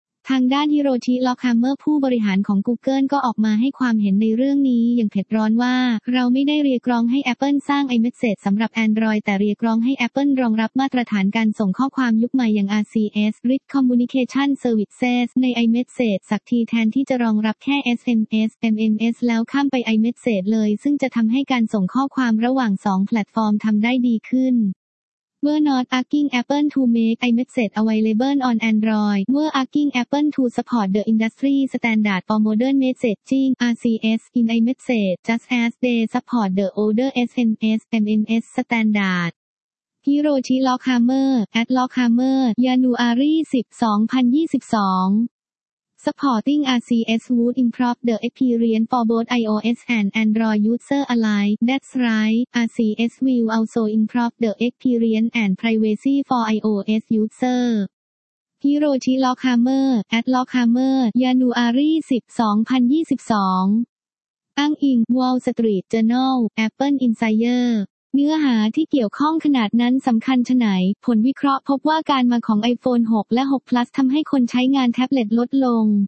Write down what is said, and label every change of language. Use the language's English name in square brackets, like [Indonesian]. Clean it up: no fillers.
[Thai] ทางด้านฮิโรชิล็อกฮัมเมอร์ผู้บริหารของ Google ก็ออกมาให้ความเห็นในเรื่องนี้อย่างเผ็ดร้อนว่าเราไม่ได้เรียกร้องให้ Apple สร้าง iMessage สำหรับ Android แต่เรียกร้องให้ Apple รองรับมาตรฐานการส่งข้อความยุคใหม่อย่าง RCS Rich Communication Services ใน iMessage สักทีแทนที่จะรองรับแค่ SMS MMS แล้วข้ามไป iMessage เลยซึ่งจะทำให้การส่งข้อความระหว่าง2แพลตฟอร์มทำได้ดีขึ้น [English] We're not asking Apple to make iMessage available on Android. We're asking Apple to support the industry standard for modern messaging (RCS) in iMessage, just as they support the older SMS (MMS) standard. Hiroshi Lockhammer @ Lockhammer, January 10, 2022 Supporting RCS would improve the experience for both iOS and Android users alike. That's right, RCS will also improve the experience and privacy for iOS users. Hiroshi Lockhammer at Lockhammer January 10, 2022 [Thai] อ้างอิง Wall Street Journal Apple Insider เนื้อหาที่เกี่ยวข้องขนาดนั้นสำคัญชะไหนผลวิเคราะห์พบว่าการมาของ iPhone 6และ6 Plus ทำให้คนใช้งานแท็บเล็ตลดลง